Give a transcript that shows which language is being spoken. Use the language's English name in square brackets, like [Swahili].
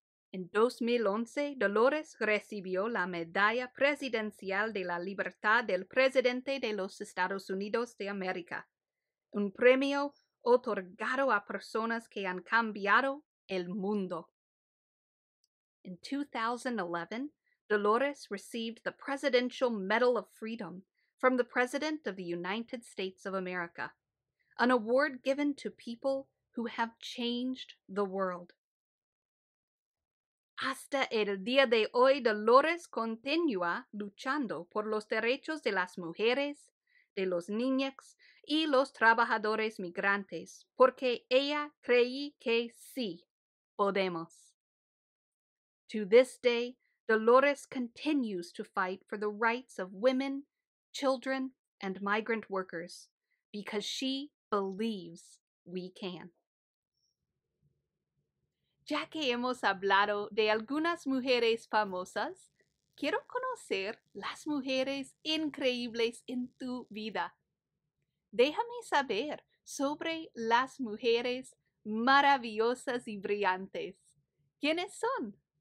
[Spanish] En 2011, Dolores recibió la Medalla Presidencial de la Libertad del Presidente de los Estados Unidos de América, un premio otorgado a personas que han cambiado el mundo. [English] In 2011, Dolores received the Presidential Medal of Freedom, from the President of the United States of America, an award given to people who have changed the world. [Spanish] Hasta el día de hoy, Dolores continúa luchando por los derechos de las mujeres, de los niñxs y los trabajadores migrantes, porque ella cree que sí, podemos. [English] To this day, Dolores continues to fight for the rights of women, children, and migrant workers, because she believes we can. [Spanish] Ya que hemos hablado de algunas mujeres famosas, quiero conocer las mujeres increíbles en tu vida. Déjame saber sobre las mujeres maravillosas y brillantes. ¿Quiénes son?